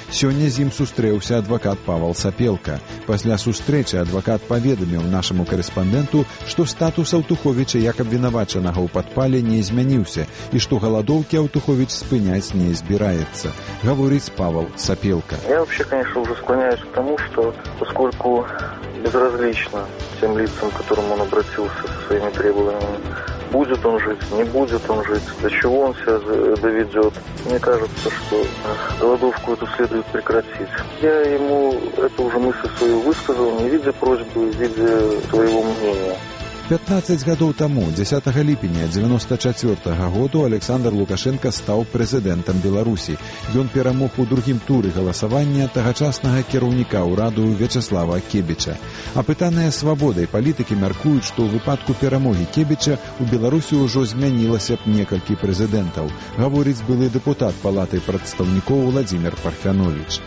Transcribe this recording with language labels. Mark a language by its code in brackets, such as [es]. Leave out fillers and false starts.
[be] Сёння з ім сустрэўся адвакат Павал Сапелка. Пасля сустрэчы адвакат паведаміў нашаму карэспандэнту, што статус Аўтуховіча як абвінавачанага ў падпале не змяніўся і што галадоўкі Аўтуховіч спыняць не збіраецца, гаворыць Павал Сапелка. [ru] Я вообще, конечно, уже склоняюсь к тому, что поскольку безразлично тем лицам, к которым он обратился со своими требованиями, будет он жить, не будет он жить, до чего он себя доведет. Мне кажется, что голодовку эту следует прекратить. Я ему эту уже мысль свою высказал, не видя просьбы, в виде своего мнения. [be] 15 гадоў таму, 10 ліпеня 94 году, Александр Лукашенко стаў прэзідэнтам Беларусі. Ён перамог у другім туры галасавання тагачаснага кіраўніка ўраду Вячаслава Кебіча. Апытаныя свабодай палітыкі мяркуюць, што ў выпадку перамогі Кебіча ў Беларусі ўжо змянілася б некалькі прэзідэнтаў, гаворыць былы дэпутат Палаты прадстаўнікоў Владзімір Парфянович.